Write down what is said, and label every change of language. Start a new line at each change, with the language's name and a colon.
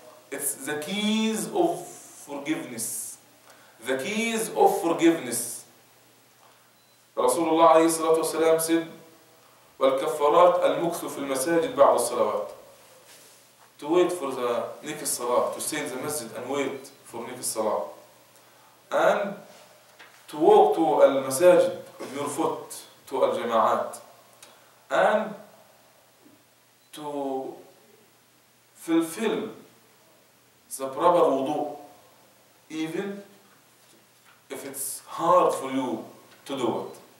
English: It's the keys of forgiveness. The keys of forgiveness.
Arabic: رسول الله عليه الصلاة والسلام said, والكفارات المكث في المساجد بعض الصلوات.
English: To wait for the next salah, to stay in the masjid and wait for next salah. And to walk to المساجد with your foot to الجماعات. And to fulfill the proper wudu, even if it's hard for you to do it.